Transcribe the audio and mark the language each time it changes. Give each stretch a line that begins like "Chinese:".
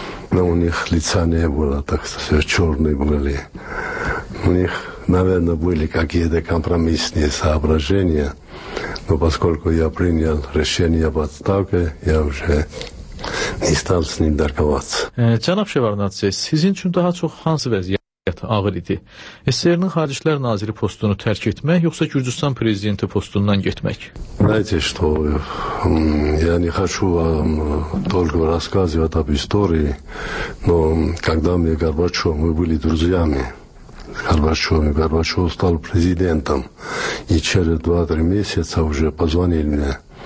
Russian: Но у них лица не было, так что все черные были. У них, наверное, были какие-то компромиссные соображения. Но поскольку я принял решение об отставке, я уже не стал с ним торговаться.
Azerbaijani: Cənab Şevardnadze, sizin üçün daha çox hansı vəziyyət ağır idi? SSR-nin xaricilər naziri postunu tərk etmək, yoxsa Gürcüstan prezidenti postundan getmək?
Russian: Знаете, что я не хочу вам долго рассказывать об истории, но когда мне Горбачёв, мы были друзьями. Горбачевым. Горбачев стал президентом. И через 2-3 месяца уже позвонили мне.